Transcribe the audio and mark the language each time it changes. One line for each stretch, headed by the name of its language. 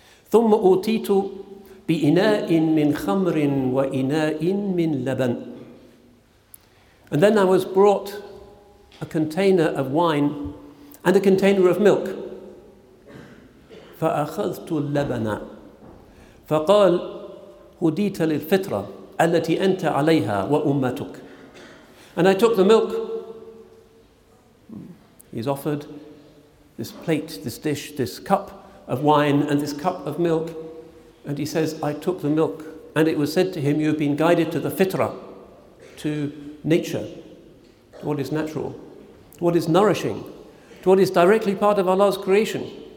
Arabic: ثم أوتيت بإناء من خمر وإناء من لبن.
English: And then I was brought a container of wine and a container of milk.
Arabic: فأخذت اللبن. فقال هديت للفطرة التي أنت عليها وأمتك.
English: And I took the milk. He's offered this plate, this dish, this cup of wine and this cup of milk. And he says, I took the milk. And it was said to him, you've been guided to the fitra, to nature, to what is natural, to what is nourishing, to what is directly part of Allah's creation.